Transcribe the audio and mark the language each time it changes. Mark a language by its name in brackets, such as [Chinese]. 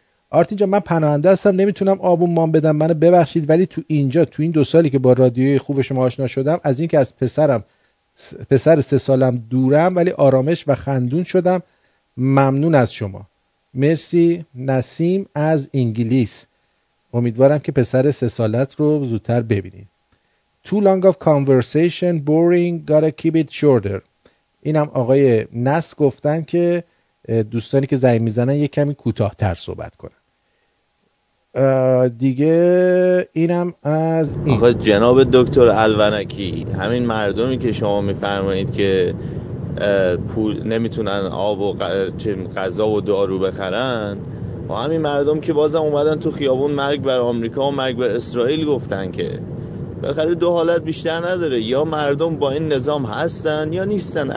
[Persian] آرتین جان من پناهنده هستم، نمیتونم آبون مام بدم، منو ببخشید، ولی تو اینجا تو این دو سالی که با رادیوی خوب شما آشنا شدم، از اینکه از پسرم پسر 3 سالم دورم، ولی آرامش و خندون شدم. ممنون از شما. مرسی نسیم از انگلیس، امیدوارم که پسر 3 سالت رو زودتر ببینید. [English] Too long of conversation, boring, gotta keep it shorter. [Persian] اینم آقای نس گفتن که دوستانی که زنگ میزنن یک کمی کوتاه‌تر صحبت کنن. دیگه اینم از این. آخه جناب دکتر الونکی، همین مردمی که شما میفرمایید که پول نمیتونن آب و غذا و دارو بخرن، و همین مردم که بازم اومدن تو خیابون مرگ بر آمریکا و مرگ بر اسرائیل گفتن، که بالاخره دو حالت بیشتر نداره، یا مردم با این نظام هستن یا نیستن.